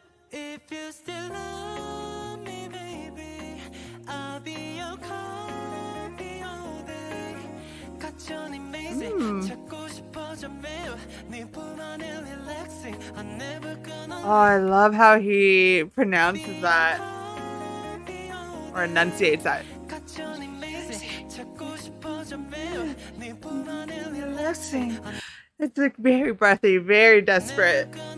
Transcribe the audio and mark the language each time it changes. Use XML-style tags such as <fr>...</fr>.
<en>If you still love me, baby, I'll be your coffee all day. Got your amazing.</en> <ko>찾고 싶어져 매일 네 품 안에</ko> <en>relaxing. I never gonna. Oh, I love how he pronounces that or enunciates that. Got your amazing.</en> <ko>찾고 싶어져 매일 네 품 안에</ko> <en>relaxing. It's like very breathy, very desperate.</en>